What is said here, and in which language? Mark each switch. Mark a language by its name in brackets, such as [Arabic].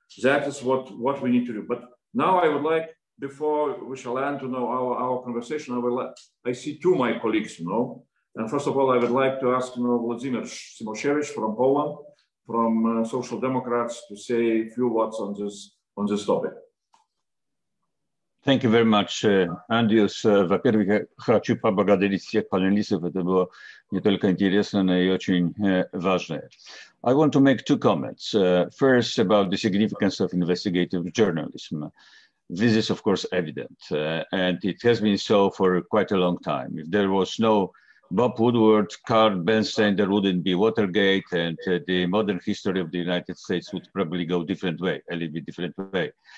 [English] That is what we need to do. But now I would like, before we shall end, you know, our conversation, I see two of my colleagues, you know. And first of all, I would like to ask, you know, Vladimir Simoshevich from Poland, from Social Democrats, to say a few words on this topic. Thank you very much, Andrius. [Russian] Во-первых, я хочу поблагодарить всех панелистов. Это было не только интересно, но и очень важно. [English] I want to make two comments. First, about the significance of investigative journalism. This is, of course, evident, and it has been so for quite a long time. If there was no Bob Woodward, Carl Bernstein, there wouldn't be Watergate, and the modern history of the United States would probably go different way, a little bit different way.